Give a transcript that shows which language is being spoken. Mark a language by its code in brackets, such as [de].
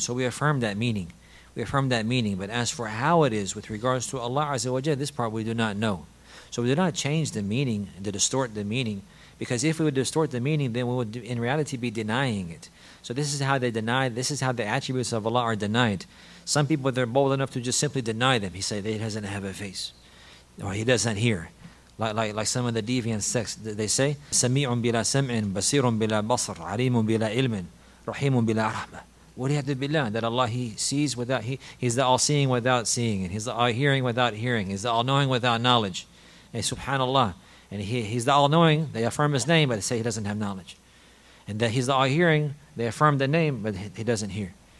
[en] So we affirm that meaning. We affirm that meaning. But as for how it is with regards to Allah Azza wa Jalla, this part we do not know. So we do not change the meaning, to distort the meaning Because if we would distort the meaning, then we would in reality be denying it. So this is how they deny, this is how the attributes of Allah are denied. Some people, they're bold enough to just simply deny them. He said, he doesn't have a face. Or he doesn't hear. Like some of the deviant sects, they say, [ar] سَمِيعٌ بِلَا سَمْعٍ بَصِيرٌ بِلَا بَصْرٍ عَلِيمٌ بِلَا عِلْمٍ رَحِيمٌ بِلَا رَحْمَةٍ. [en] What do you have to believe? That Allah, He sees without, He's the all-seeing without seeing. And He's the all-hearing without hearing. He's the all-knowing without knowledge. And subhanAllah. And He's the all-knowing, they affirm His name, but they say He doesn't have knowledge. And that He's the all-hearing, they affirm the name, but He doesn't hear.